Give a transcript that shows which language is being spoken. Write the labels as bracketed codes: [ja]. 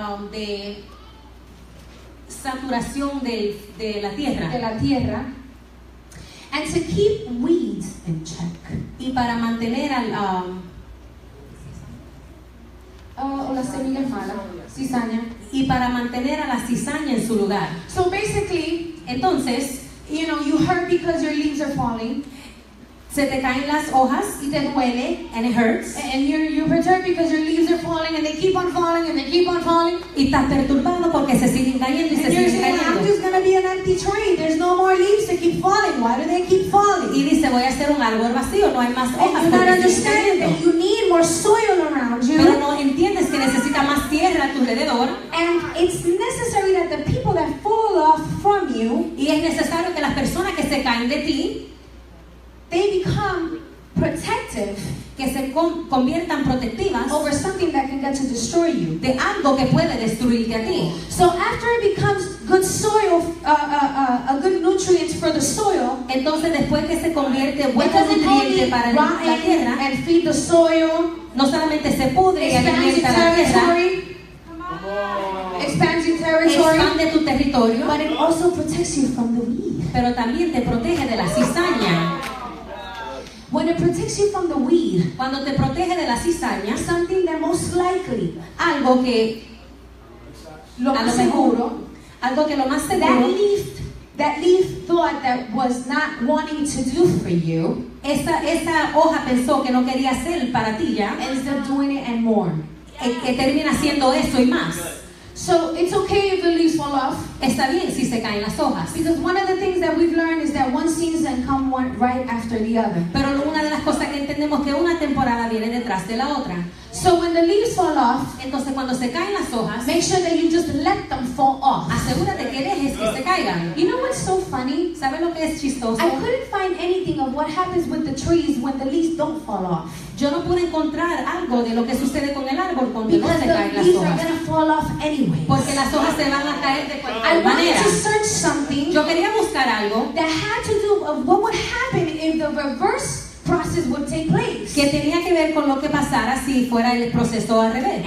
[es] de saturación de la tierra, [en] and to keep weeds in check. [es] Y para mantener al la semilla mala, cizaña, y para mantener a la cizaña en su lugar. [en] So basically, [es] entonces, [en] you know, you hurt because your leaves are falling. [es] Se te caen las hojas y te duele, [en] and it hurts. And you're perturbed because your leaves are falling and they keep on falling and they keep on falling. [es] Y estás perturbado porque se siguen cayendo y se siguen cayendo. [en] And you're saying, I'm just gonna be an empty tree. There's no more leaves to keep falling. Why do they keep falling? [es] Y dice, voy a ser un árbol vacío. No hay más hojas. [en] And you're not understanding that you need more soil around you. [es] Pero no entiendes que necesita más tierra a tu alrededor. [en] And it's necessary that the people that fall off from you. [es] Y es necesario que las personas que se caen de ti, [en] they become protective, [es] que se conviertan protectivas [en] over something that can get to destroy you, [es] de algo que puede destruirte a ti. [en] So after it becomes good soil, a good nutrient for the soil, [es] entonces después que se convierte buen nutriente para la tierra, [en] and feed the soil, [es] no solamente se pudre y alimenta la tierra, [en] expands your territory, [es] expande tu territorio, [en] but it also protects you from the weed, [es] pero también te protege de la cizaña. [en] When it protects you from the weed, [es] cuando te protege de la cizaña, [en] something that most likely, [es] algo que lo más seguro, algo que lo más seguro, [en] that leaf thought that was not wanting to do for you, [es] esa hoja pensó que no quería hacer para ti ya, [en] ends up doing it and more, [es] que termina haciendo eso y más. [en] So it's okay if the leaves fall off. [es] Está bien si se caen las hojas. [en] Because one of the things that we've learned is that one season can come one right after the other. [es] Pero una de las cosas que entendemos temporada viene detrás de la otra. [en] So when the leaves fall off, [es] entonces cuando se caen las hojas, [en] make sure that you just let them fall off. [es] Asegúrate que dejes que se caigan. [en] You know what's so funny? [es] ¿Sabes lo que es chistoso? [en] I couldn't find anything of what happens with the trees when the leaves don't fall off. [es] Yo no pude encontrar algo de lo que sucede con el árbol cuando [en] because [es] no se caen las hojas. [en] Because the leaves are gonna fall off anyway. [es] Porque las hojas se van a caer de cualquier manera. [en] I wanted to search something. [es] Yo quería buscar algo [en] that had to do of what would happen if the reverse process would take place. [es] Que tenía que ver con lo que pasara si fuera el proceso al revés.